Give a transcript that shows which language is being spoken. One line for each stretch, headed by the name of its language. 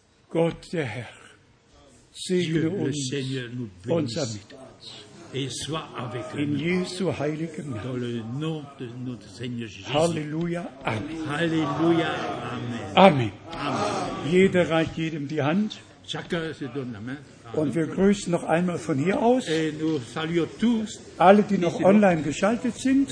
German: Gott, der Herr, segne uns und samt uns.
French: Et sois avec
German: in nous. Jesu heiligen Namen.
French: Dans le nom de notre Seigneur Jésus. Halleluja, Amen. Halleluja, Amen. Amen. Amen.
German: Jeder reicht jedem die Hand.
French: Chacun se donne la main.
German: Und wir grüßen noch einmal von hier aus
French: et nous saluons tous,
German: alle, die noch online geschaltet sind.